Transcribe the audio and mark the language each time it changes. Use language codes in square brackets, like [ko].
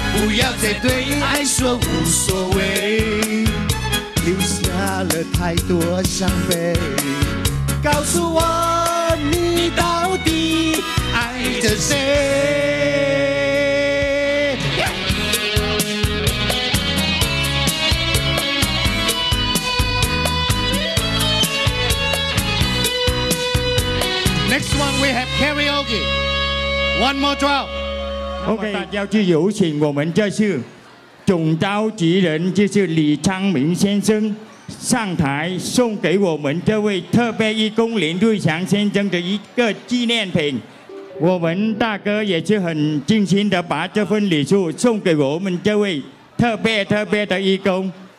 [zh] 福气到，羊年发财好运到，天天开心是福报，财神追你到处跑，老婆听话又乖巧，家庭和睦乐逍遥，感谢您来到平阳凑热闹，欢天喜地度过每一宵。给我个机会，不要再对爱说无所谓。留下了太多伤悲，告诉我你到底爱着谁？ [en] Next one we have karaoke, one more drop. [zh] OK， 那么就有请我们这次总召集人，就是李昌明先生上台，送给我们这位特别义工林瑞祥先生的一个纪念品。我们大哥也是很尽心的把这份礼数送给我们这位特别特别的义工。